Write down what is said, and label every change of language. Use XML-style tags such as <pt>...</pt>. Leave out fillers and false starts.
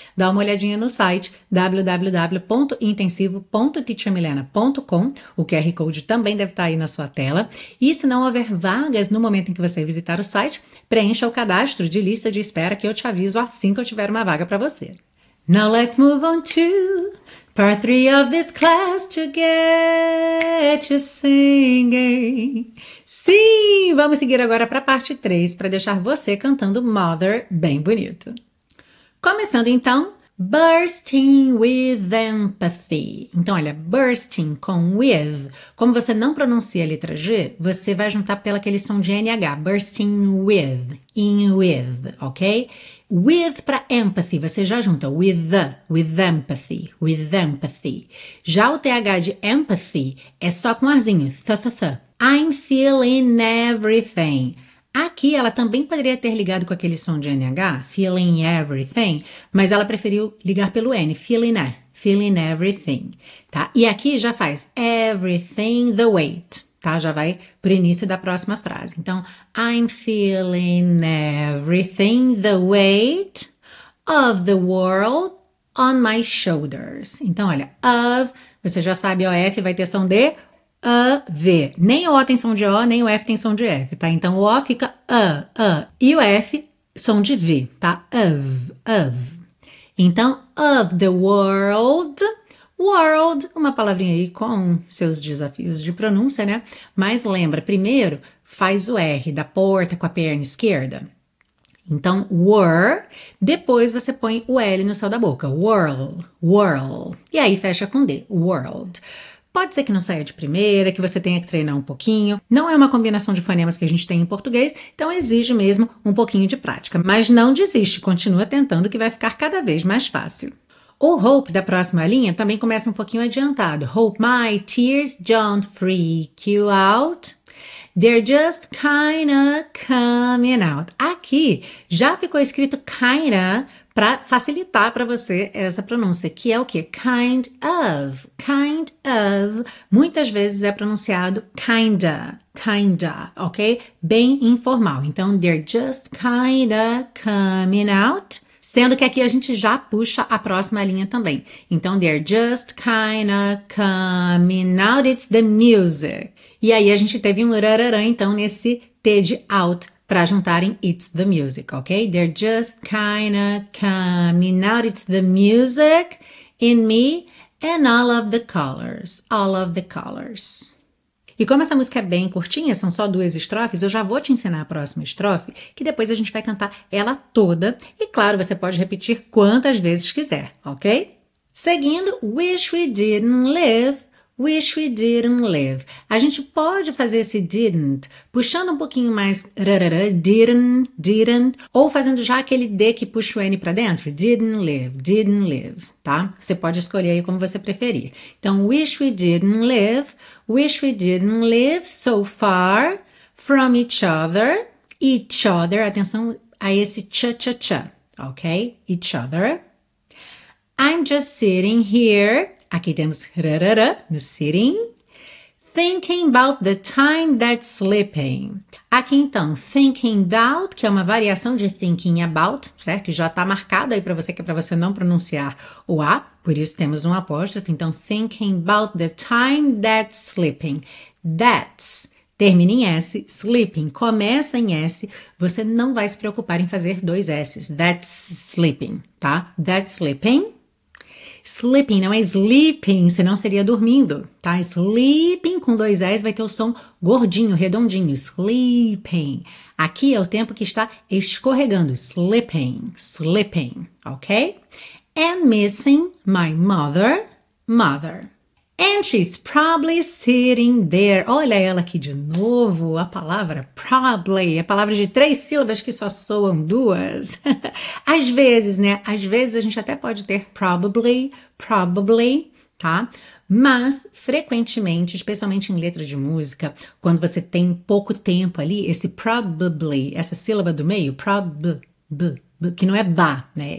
<pt>dá uma olhadinha no site www.intensivo.teachermilena.com, o QR Code também deve estar aí na sua tela, e se não houver vagas no momento em que você visitar o site, preencha o cadastro de lista de espera que eu te aviso assim que eu tiver uma vaga para você.</pt> <en>Now let's move on to part three of this class to get you singing.</en> <pt>Sim, vamos seguir agora para a parte 3 para deixar você cantando Mother bem bonito.</pt> <en>Começando então, bursting with empathy.</en> <pt>Então, olha, bursting com with. Como você não pronuncia a letra G, você vai juntar pelo aquele som de NH, bursting with.</pt> <en>In with, ok? With para empathy, você já junta with empathy.</en> <pt>Já o TH de empathy é só com arzinho, th.</pt> <en>I'm feeling everything.</en> <pt>Aqui ela também poderia ter ligado com aquele som de NH,</pt> <en>feeling everything,</en> <pt>mas ela preferiu ligar pelo N, feeling everything, tá? E aqui já faz</pt> <en>everything the weight.</en> <pt>Tá, já vai pro início da próxima frase.</pt> <en>Então, I'm feeling everything the weight of the world on my shoulders.</en> <pt>Então, olha, of, você já sabe, OF vai ter som de V. Nem o tem som de O, nem o F tem som de F, tá? Então, o O fica E o F, som de V, tá? Of. Então, of the world. World, uma palavrinha aí com seus desafios de pronúncia, né? Mas lembra, primeiro faz o R da porta com a perna esquerda. Então, were, depois você põe o L no céu da boca. World, world. E aí fecha com D, world. Pode ser que não saia de primeira, que você tenha que treinar um pouquinho. Não é uma combinação de fonemas que a gente tem em português, então exige mesmo um pouquinho de prática. Mas não desiste, continua tentando que vai ficar cada vez mais fácil. O hope da próxima linha também começa um pouquinho adiantado.</pt> <en>Hope my tears don't freak you out. They're just kinda coming out.</en> <pt>Aqui já ficou escrito kinda para facilitar para você essa pronúncia, que é o quê?</pt> <en>Kind of. Kind of. Muitas vezes é pronunciado kinda.</en> <pt>Kinda, ok? Bem informal.</pt> <en>Então, they're just kinda coming out.</en> <pt>Sendo que aqui a gente já puxa a próxima linha também.</pt> <en>Então, they're just kinda coming out, it's the music.</en> <pt>E aí a gente teve um rarará então nesse T de out para juntarem</pt> <en>it's the music,</en> <pt>ok?</pt> <en>They're just kinda coming out, it's the music in me and all of the colors. All of the colors.</en> <pt>E como essa música é bem curtinha, são só duas estrofes, eu já vou te ensinar a próxima estrofe, que depois a gente vai cantar ela toda. E claro, você pode repetir quantas vezes quiser, ok?</pt> <en>Seguindo, wish we didn't live, wish we didn't live.</en> <pt>A gente pode fazer esse didn't puxando um pouquinho mais, rarara, didn't, didn't, ou fazendo já aquele D que puxa o N para dentro,</pt> <en>didn't live, didn't live.</en> <pt>Tá? Você pode escolher aí como você preferir.</pt> <en>Então, wish we didn't live, wish we didn't live so far from each other,</en> <pt>atenção a esse cha-cha-cha,</pt> <en>ok? Each other. I'm just sitting here,</en> <pt>aqui temos rarara, no</pt> <en>sitting, thinking about the time that's slipping.</en> <pt>Aqui então, thinking about, que é uma variação de thinking about, certo? E já tá marcado aí para você, que é para você não pronunciar o A, por isso temos um apóstrofe.</pt> <en>Então, thinking about the time that's slipping.</en> <pt>That's, termina em S, slipping, começa em S, você não vai se preocupar em fazer dois S's.</pt> <en>That's slipping,</en> <pt>tá? That's slipping. Sleeping, não é sleeping, senão seria dormindo, tá? Sleeping com dois S vai ter o som gordinho, redondinho. Sleeping. Aqui é o tempo que está escorregando.</pt> <en>Slipping, slipping, ok? And missing my mother, mother. And she's probably sitting there.</en> <pt>Olha ela aqui de novo, a palavra probably, a palavra de três sílabas que só soam duas. Às vezes, né? Às vezes a gente até pode ter probably, probably, tá? Mas, frequentemente, especialmente em letra de música, quando você tem pouco tempo ali, esse probably, essa sílaba do meio, prob, b, que não é ba, né?</pt>